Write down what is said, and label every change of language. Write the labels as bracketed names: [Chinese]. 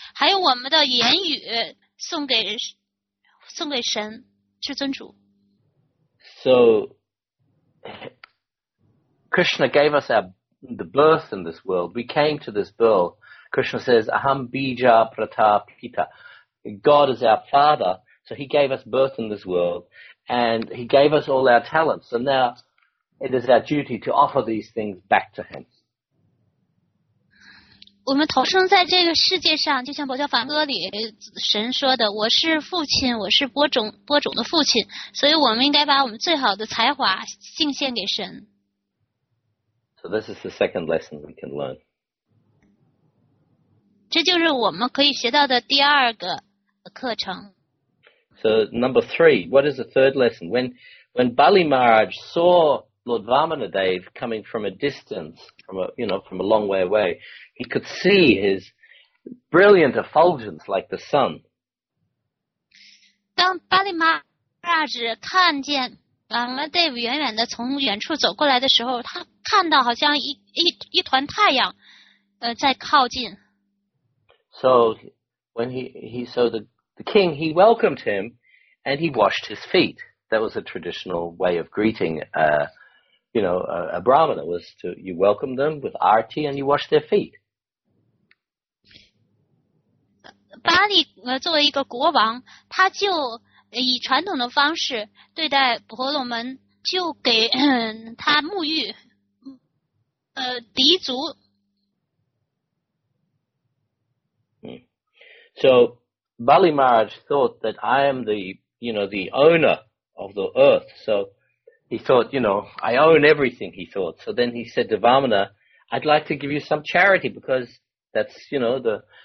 [Chinese] 还有我们的言语送给神，至尊主。 [English] So, Krishna gave us the birth in this world. We came to this world. Krishna says, [Sanskrit] Aham Bija Pratapita. [English] God is our father, so he gave us birth in this world. And he gave us all our talents. So now, it is our duty to offer these things back to him. [Chinese] 我们投生在这个世界上，就像《宝教梵歌》里神说的，我是父亲，我是播种的父亲，所以我们应该把我们最好的才华敬献给神。 [English] So this is the second lesson we can learn. [Chinese] 这就是我们可以学到的第二个课程。 [English] So number three, what is the third lesson? When Bali Maharaj saw Lord Vamanadeva coming from a distance, from a long way away,He could see his brilliant effulgence like the sun. [Chinese] 当巴利玛拉什看见瓦玛德夫远远的从远处走过来的时候，他看到好像一团太阳，在靠近。 [English] So when the king, he welcomed him, and he washed his feet. That was a traditional way of greeting, a brahmana was to you welcome them with arti and you wash their feet. [Chinese] 巴利作为一个国王，他就以传统的方式对待婆罗门，就给他沐浴，涤足。 [English] So Bali Maharaj thought that I am the owner of the earth. So he thought, I own everything. He thought. So then he said to Vamana, "I'd like to give you some charity because that's the."